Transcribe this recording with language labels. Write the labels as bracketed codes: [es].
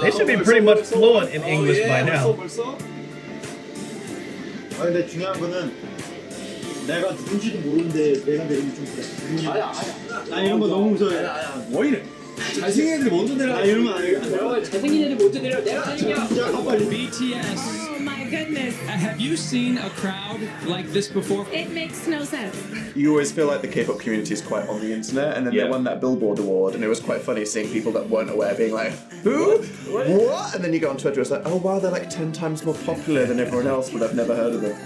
[en] They should be pretty much fluent in English by now. [ko] 아 근데 중요한 거는 내가 누군지도 모르는데 내가 내린 게 좀 그래. 아니야. 나 이런 거 너무 무서워. 뭐 이래? 잘생긴 애들이 먼저 내려. 아 이러면 안 돼. 잘생긴 애들이 먼저 내려. 내려. [en] BTS. Oh my goodness. Have you seen a crowd like this before? It makes no sense. You always feel like the K-pop community is quite on the internet, and then yeah. They won that Billboard award, and it was quite funny seeing people that weren't aware being like, who? What? And then you go on Twitter, it's like, oh wow, they're like 10 times more popular than everyone else, but I've never heard of them.